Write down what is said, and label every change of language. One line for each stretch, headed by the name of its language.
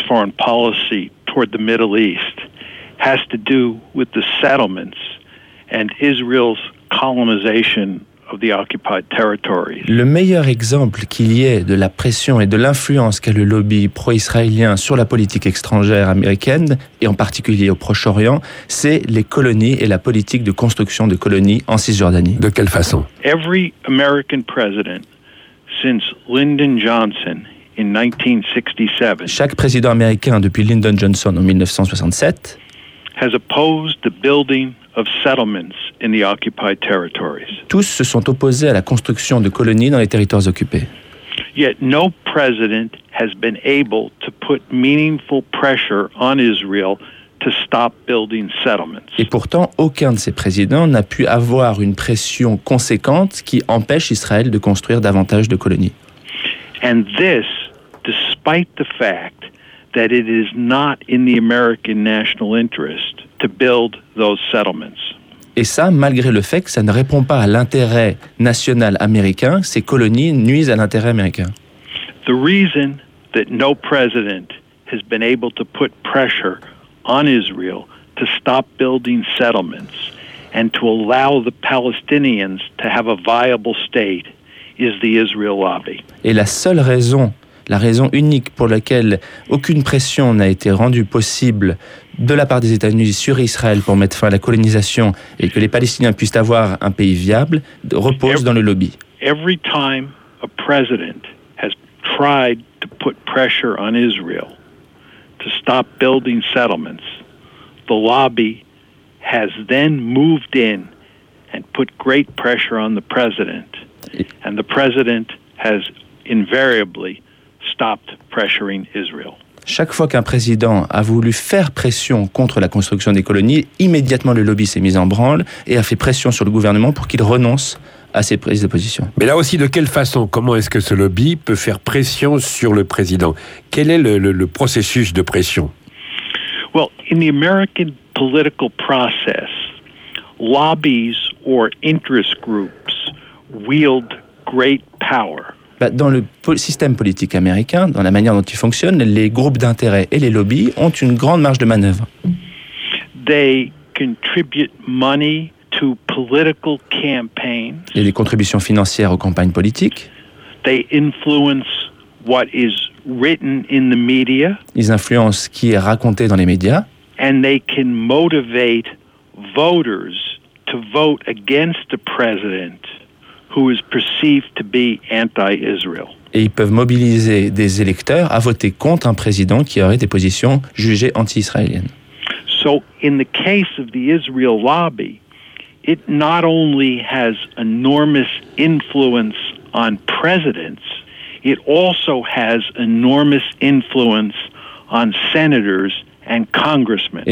English: foreign policy toward the Middle East has to do with the settlements and Israel's colonization of the occupied territories.
French: Le meilleur exemple qu'il y ait de la pression et de l'influence qu'a le lobby pro-israélien sur la politique étrangère américaine, et en particulier au Proche-Orient, c'est les colonies et la politique de construction de colonies en Cisjordanie. De quelle façon?
English: Every American president since Lyndon Johnson in 1967.
French: Chaque président américain depuis Lyndon Johnson en 1967
English: has opposed the building of settlements in the occupied territories.
French: Tous se sont opposés à la construction de colonies dans les territoires occupés.
English: Yet no president has been able to put meaningful pressure on Israel to stop building settlements.
French: Et pourtant, aucun de ces présidents n'a pu avoir une pression conséquente qui empêche Israël de construire davantage de colonies.
English: And this, despite the fact that it is not in the American national interest to build those settlements.
French: Et ça, malgré le fait que ça ne répond pas à l'intérêt national américain, ces colonies nuisent à l'intérêt américain.
English: The reason that no president has been able to put pressure on Israel to stop building settlements and to allow the Palestinians to have a viable state is the Israel lobby.
French: Et la seule raison, la raison unique pour laquelle aucune pression n'a été rendue possible de la part des États-Unis sur Israël pour mettre fin à la colonisation et que les Palestiniens puissent avoir un pays viable repose dans le lobby.
English: Every time a president has tried to put pressure on Israel to stop building settlements, the lobby has then moved in and put great pressure on the president, and the president has invariably stopped pressuring Israel.
French: Chaque fois qu'un président a voulu faire pression contre la construction des colonies, immédiatement le lobby s'est mis en branle et a fait pression sur le gouvernement pour qu'il renonce à ses prises de position. Mais là aussi, de quelle façon, comment est-ce que ce lobby peut faire pression sur le président? Quel est le processus de pression?
English: Well, in the American political process, lobbies or interest groups wield great power.
French: Dans le système politique américain, dans la manière dont il fonctionne, les groupes d'intérêt et les lobbies ont une grande marge de manœuvre.
English: They contribute money to political campaigns.
French: Il y a des contributions financières aux campagnes politiques.
English: They influence what is written in the media.
French: Ils influencent ce qui est raconté dans les médias.
English: And they can motivate voters to vote against the president who is perceived to be anti-Israel.
French: Et ils peuvent mobiliser des électeurs à voter contre un président qui aurait des positions jugées anti-israéliennes.
English: So in the case of the Israel lobby, it not only has enormous influence on presidents, it also has enormous influence on senators and congressmen.